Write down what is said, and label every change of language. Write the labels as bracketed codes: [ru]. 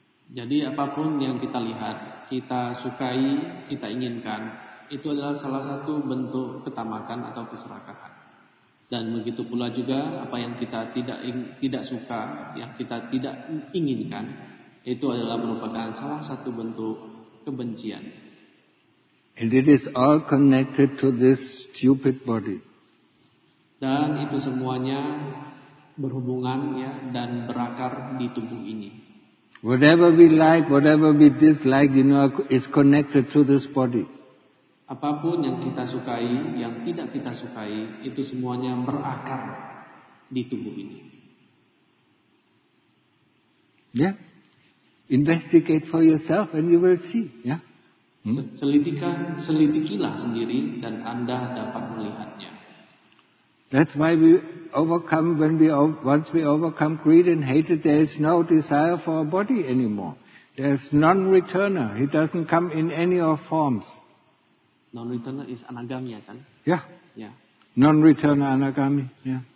[id] Jadi apapun yang kita lihat, kita sukai, kita inginkan, itu adalah salah satu bentuk ketamakan atau keserakahan. Dan begitu pula juga apa yang kita tidak suka, yang kita tidak inginkan, itu adalah merupakan salah satu bentuk kebencian. [en] And it is all connected to this stupid body. [id] Dan itu semuanya berhubungan ya dan berakar di tubuh ini. [en] Whatever we like, whatever we dislike, you know, is connected to this body. [id] Apapun yang kita sukai, yang tidak kita sukai, itu semuanya berakar di tubuh ini. [en] Yeah. Investigate for yourself and you will see. Yeah. [id] Selidikilah sendiri dan Anda dapat melihatnya. [en] That's why we overcome once we overcome greed and hatred, there is no desire for a body anymore. There's non-returner. He doesn't come in any of forms. Non-returner is anagami, kan? Yeah. Non-returner anagami. Yeah.